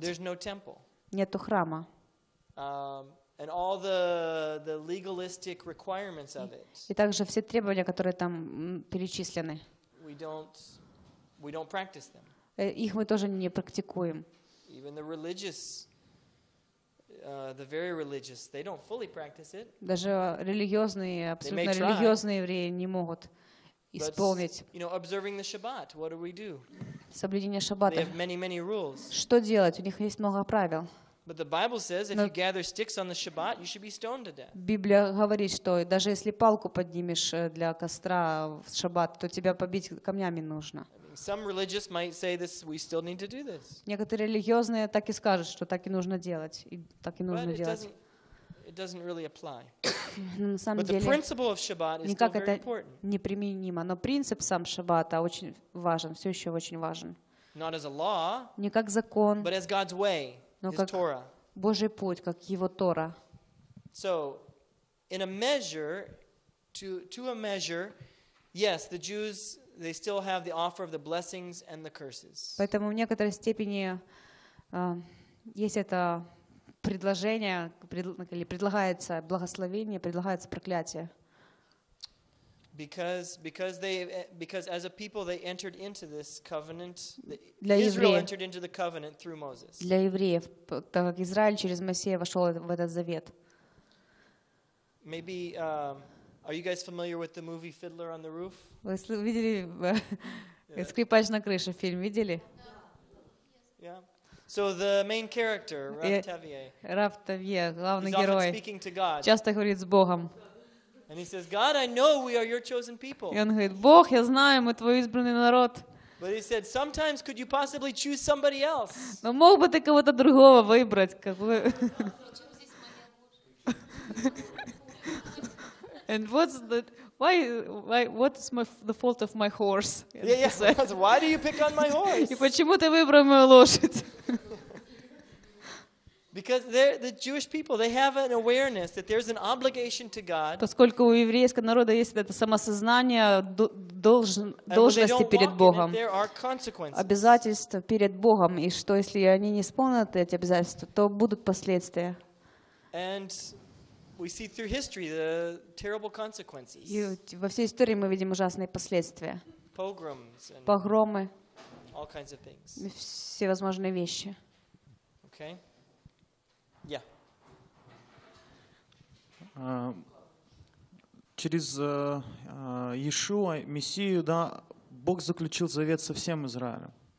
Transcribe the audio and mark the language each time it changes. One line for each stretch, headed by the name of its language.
English: There's no temple.
Russian: Нету храма.
English: And all the legalistic requirements of it.
Russian: И также все требования, которые там перечислены.
English: We don't practice them.
Russian: Их мы тоже не практикуем.
English: Even the religious. The very religious, they don't fully practice it.
Russian: Даже религиозные, абсолютно религиозные евреи не могут исполнить.
English: You know, observing the Shabbat, what do we do?
Russian: Соблюдение Шаббата.
English: They have many, many rules.
Russian: Что делать? У них есть много правил.
English: But the Bible says, if you gather sticks on the Shabbat, you should be stoned to death.
Russian: Библия говорит, что даже если палку поднимешь для костра в Шаббат, то тебя побить камнями нужно.
English: Some religious might say this. We still need to do this.
Russian: Некоторые религиозные так и скажут, что так и нужно делать, и так и нужно делать.
English: It doesn't really apply.
Russian: На самом деле.
English: But the principle of Shabbat is still very important.
Russian: Никак это не применимо, но принцип сам Шаббата очень важен, все еще очень важен.
English: Not as a law.
Russian: Не как закон.
English: But as God's way.
Russian: Но как Божий путь, как Его Тора.
English: So, in a measure, to a measure, yes, the Jews. They still have the offer of the blessings and the curses.
Russian: Поэтому в некоторой степени есть это предложение, или предлагается благословение, предлагается проклятие.
English: Because as a people they entered into this covenant, Israel entered into the covenant through Moses.
Russian: Для евреев, так как Израиль через Моисея вошел в этот завет.
English: Maybe are you guys familiar with the movie Fiddler on the Roof?
Russian: Вы видели скрипач на крыше фильм видели?
English: Yeah. So the main character,
Russian: Рав Тавье, главный герой,
English: speaking to God.
Russian: Часто говорит с Богом.
English: And he says, "God, I know we are your chosen people."
Russian: И он говорит: "Бог, я знаю, мы твой избранный народ."
English: But he said, "Sometimes could you possibly choose somebody else?"
Russian: Но мог бы ты кого-то другого выбрать, как бы.
English: And what's the why what's my the fault of my horse? Yeah, yeah. Because why do you pick on my horse?
Russian: И почему ты выбрал мою лошадь?
English: Because they're the Jewish people, they have an awareness that there's an obligation to God.
Russian: Поскольку у еврейского народа есть это самосознание должности перед Богом.
English: And when they don't walk in it, there are consequences.
Russian: Обязательства перед Богом, и что если они не исполнят эти обязательства, то будут последствия.
English: And we see through history the terrible consequences.
Russian: И во всей истории мы видим ужасные последствия.
English: Pogroms and
Russian: погромы.
English: All kinds of things.
Russian: Всевозможные вещи.
English: Okay. Yeah.
Russian: Через Иешуа, Мессию, да, Бог заключил завет со всем Израилем.